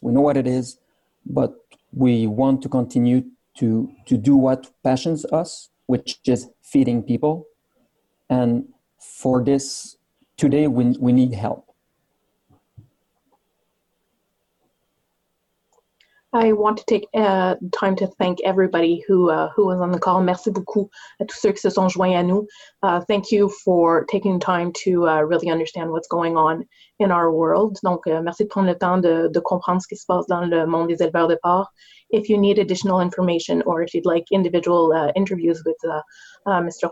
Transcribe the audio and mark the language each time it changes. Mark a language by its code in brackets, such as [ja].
[en] We know what it is, but we want to continue to do what passions us, which is feeding people. And for this today, we need help. I want to take time to thank everybody who was on the call. [fr] Merci beaucoup à tous ceux qui se sont joints à nous. [en] Thank you for taking time to really understand what's going on in our world. [fr] Donc, merci de prendre le temps de comprendre ce qui se passe dans le monde des éleveurs de porc. [en] If you need additional information or if you'd like individual interviews with Mr.